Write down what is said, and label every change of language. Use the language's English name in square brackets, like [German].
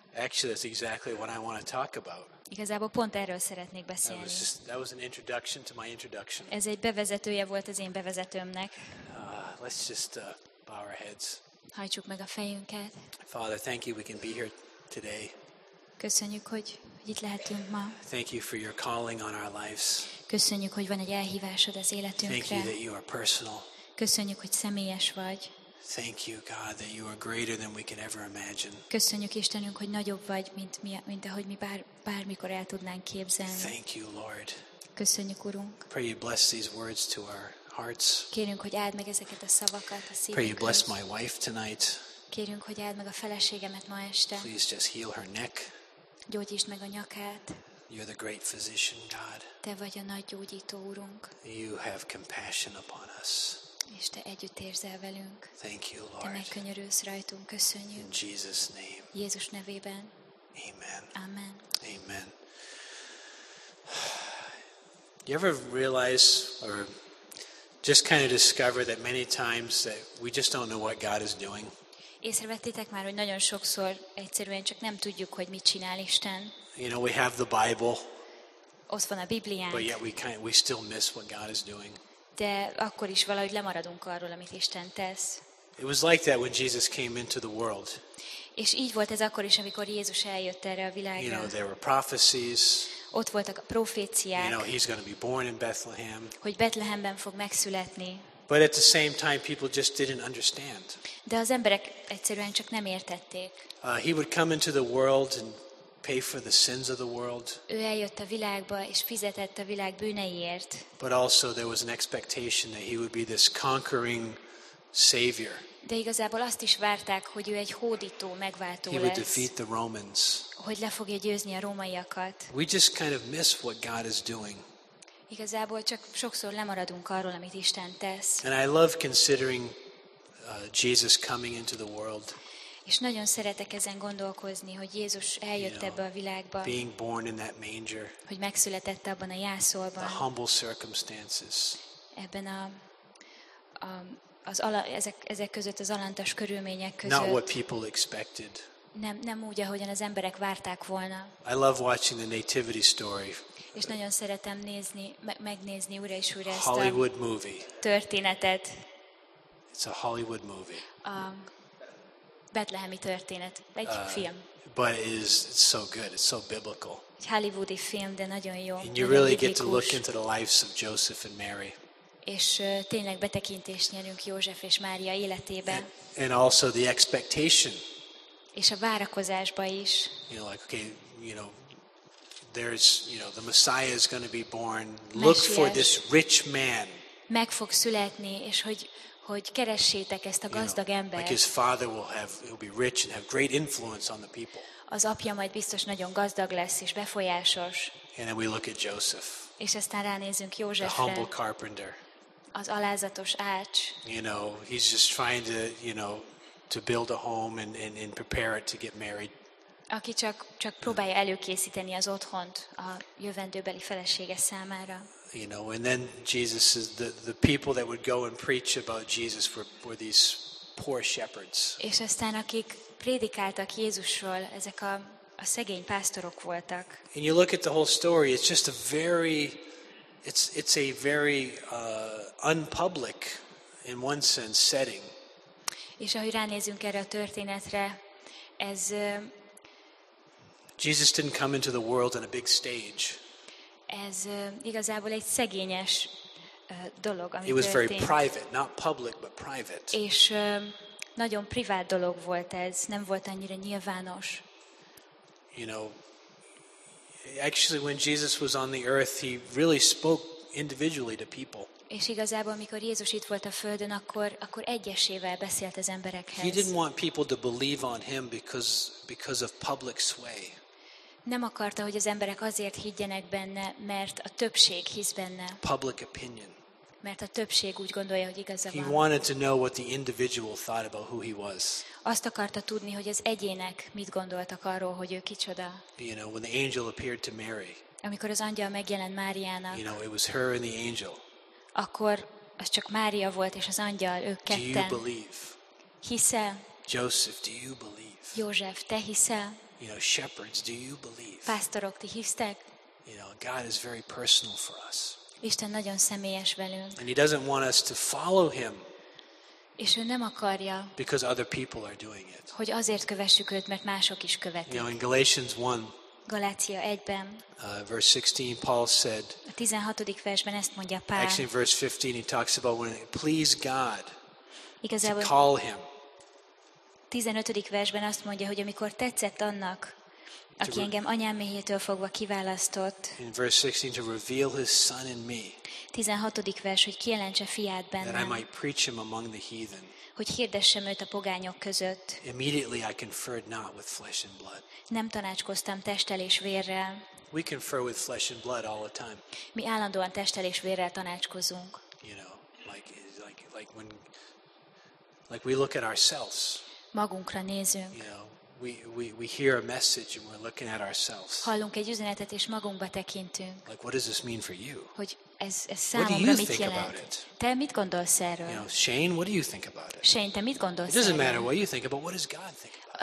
[English] Actually, that's exactly what I want to talk about. [Hungarian] Igazából pont erről szeretnék beszélni. [English] That was an introduction to my introduction. [Hungarian] Ez egy bevezetője volt az én bevezetőmnek. [English] Let's just bow our heads. [Hungarian] Hajtsuk meg a fejünket. [English] Father, thank you we can be here today. [Hungarian] Köszönjük, hogy itt lehetünk ma. [English] Thank you for your calling on our lives. [Hungarian] Köszönjük, hogy van egy elhívásod az életünkre. [English] Thank you that you are personal. [Hungarian] Köszönjük, hogy személyes vagy. [English] Thank you, God, that you are greater than we can ever imagine. [Hungarian] Köszönjük, Istenünk, hogy nagyobb vagy, mint ahogy mi bármikor el tudnánk képzelni. [English] Thank you, Lord. [Hungarian] Köszönjük, Urunk. [English] Pray you bless these words to our hearts. [Hungarian] Kérünk, hogy áld meg ezeket a szavakat a szívünkre. [English] Pray you bless my wife tonight. [Hungarian] Kérünk, hogy áld meg a feleségemet ma este. [English] Please just heal her neck. [Hungarian] Gyógyítsd meg a nyakát. [English] You're the great physician, God. [Hungarian] Te vagy a nagy gyógyító, Urunk. [English] You have compassion upon us. [Hungarian] És te együtt érzel velünk. [English] Thank you, Lord. [Hungarian] Te megkönyörülsz rajtunk. Köszönjük. [English] In Jesus name. [Hungarian] Jézus nevében. Amen. Amen. Amen. [English] You ever realize or just kind of discover that many times that we just don't know what God is doing? [Hungarian] Észrevettétek már, hogy nagyon sokszor egyszerűen csak nem tudjuk, hogy mit csinál Isten. [English] You know, we have the Bible. [Hungarian] Ott van a Bibliánk. [English] But yet we still miss what God is doing. [Hungarian] De akkor is valahogy lemaradunk arról, amit Isten tesz. [English] It was like that when Jesus came into the world. [Hungarian] És így volt ez akkor is, amikor Jézus eljött erre a világra. [English] You know, there were prophecies. [Hungarian] Ott voltak a proféciák. [English] You know, he's going to be born in Bethlehem. [Hungarian] Hogy Betlehemben fog megszületni. [English] But at the same time people just didn't understand. [Hungarian] De az emberek egyszerűen csak nem értették. [English] He would come into the world and pay for the sins of the world. [Hungarian] Ő eljött a világba és fizetett a világ bűneiért. [English] But also there was an expectation that he would be this conquering savior. [Hungarian] De igazából azt is várták, hogy ő egy hódító, megváltó lesz. [English] He would defeat the Romans. [Hungarian] Hogy le fogja győzni a rómaiakat. [English] We just kind of miss what God is doing. [Hungarian] Igazából csak sokszor lemaradunk arról, amit Isten tesz. [English] And I love considering Jesus coming into the world. [Hungarian] És nagyon szeretek ezen gondolkozni, hogy Jézus eljött, [English] you know, [Hungarian] ebbe a világba. [English] Being born in that manger. [Hungarian] Hogy megszületett abban a jászolban. [English] The humble circumstances. [Hungarian] Ebben ezek között az alantas körülmények között. [English] Not what people expected. [Hungarian] Nem úgy, ahogyan az emberek várták volna. [English] I love watching the nativity story. [Hungarian] És nagyon szeretem nézni, megnézni újra és újra ezt [English] Hollywood a movie. [Hungarian] Történetet. [English] It's a Hollywood movie. [Hungarian] Betlehemi történet, egy film. [English] But it's so good, it's so biblical. [Hungarian] Egy hollywoodi film, de nagyon jó. [English] And you really get to look into the lives of Joseph and Mary. [Hungarian] És tényleg betekintést nyerünk József és Mária életébe. [English] And also the expectation. [Hungarian] És a várakozásba is. [English] You know, like, okay, you know, there's, you know, the Messiah is going to be born. Look for this rich man. [Hungarian] Meg fog születni, és hogy keressétek ezt a gazdag embert. [English] Like his father will be rich and have great influence on the people. [Hungarian] Az apja majd biztos nagyon gazdag lesz és befolyásos. [English] And then we look at Joseph. [Hungarian] És aztán ránézünk Józsefre. [English] The humble carpenter. [Hungarian] Az alázatos ács. [English] You know, he's just trying to, you know, to build a home and prepare it to get married. [Hungarian] Aki csak próbálja előkészíteni az otthont a jövendőbeli felesége számára. [English] You know, and then Jesus is the people that would go and preach about Jesus were these poor shepherds. [Hungarian] És aztán akik prédikáltak Jézusról, ezek a szegény pásztorok voltak. [English] And you look at the whole story, it's just a very it's a very unpublic in one sense setting. [Hungarian] És ahogy ránézünk erre a történetre, ez [English] Jesus didn't come into the world on a big stage. [Hungarian] Ez igazából egy szegényes dolog, ami [English] it was very private, not public, but private. [Hungarian] És nagyon privát dolog volt ez, nem volt annyira nyilvános. [English] You know, actually when Jesus was on the earth, he really spoke individually to people. [Hungarian] És igazából amikor Jézus itt volt a földön, akkor egyesével beszélt az emberekhez. [English] He didn't want people to believe on him because of public sway. [Hungarian] Nem akarta, hogy az emberek azért higgyenek benne, mert a többség hisz benne. [English] Public opinion. [Hungarian] Mert a többség úgy gondolja, hogy igaza van. [English] He wanted to know what the individual thought about who he was. [Hungarian] Azt akarta tudni, hogy az egyének mit gondoltak arról, hogy ő kicsoda. [English] You know, when the angel appeared to Mary. [Hungarian] Amikor az angyal megjelent Máriának. [English] You know, it was her and the angel. [Hungarian] Akkor az csak Mária volt és az angyal, ők ketten. [English] Do you believe? [Hungarian] Hiszel? [English] Joseph, do you believe? [Hungarian] József, te hiszel? [English] You know, shepherds, do you believe? [Hungarian] Pásztorok, ti hisztek? [English] You know, God is very personal for us. [Hungarian] Isten nagyon személyes velünk. [English] And he doesn't want us to follow him. [Hungarian] És ő nem akarja. [English] Because other people are doing it. [Hungarian] Hogy azért kövessük őt, mert mások is követik. [English] You know, in Galatians 1. [Hungarian] Galácia 1-ben. [English] Verse 16 Paul said. [Hungarian] A 16. versben ezt mondja Pál. [English] Actually in verse 15 he talks about when it pleased God. [Hungarian] Igazából [English] to call him. [Hungarian] 15. versben azt mondja, hogy amikor tetszett annak, aki engem anyám méhétől fogva kiválasztott. [English] In verse 16 to reveal his son in me. [Hungarian] 16. vers, hogy kijelentse fiát bennem. [English] That I might preach him among the heathen. [Hungarian] Hogy hirdessem őt a pogányok között. [English] Immediately I conferred not with flesh and blood. [Hungarian] Nem tanácskoztam testtel és vérrel. [English] We confer with flesh and blood all the time. [Hungarian] Mi állandóan testtel és vérrel tanácskozunk. [English] You know, like we look at ourselves. [Hungarian] Magunkra nézünk. [English] You know, we hear a message and we're looking at ourselves. [Hungarian] Hallunk egy üzenetet és magunkba tekintünk. [English] Like, what does this mean for you? [Hungarian] Hogy ez számomra mit jelent? Te mit gondolsz erről? [English] You know, Shane, what do you think about it? [Hungarian] Shane, te mit gondolsz? [English] It doesn't matter what you think about, what does God think about it?